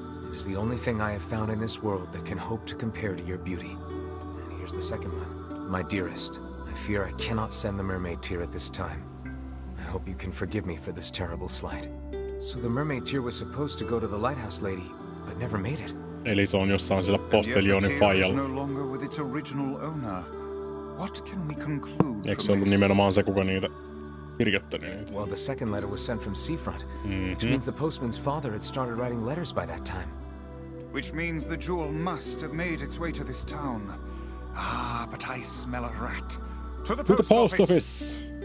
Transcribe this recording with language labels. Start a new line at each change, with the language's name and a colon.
English: It is the only thing I have found in this world that can hope to compare to your beauty. And here's the second one. My dearest, I fear I cannot send the mermaid tear at this time. I hope you can forgive me for this terrible slight. So the mermaid tear was supposed to go to the lighthouse lady, but never made it.
Finnish: Eli se on jossain sillä postelionin faijalla.
English: No longer with its original owner. What can we conclude?
Finnish: Eikö se ollut nimenomaan se, kuka niitä kirjoitteli?
English: Well, the second letter was sent from Seafront, which means the postman's father had started writing letters by that time. Which means the jewel must have made its way to this town. Ah, but I smell a rat. To the post office.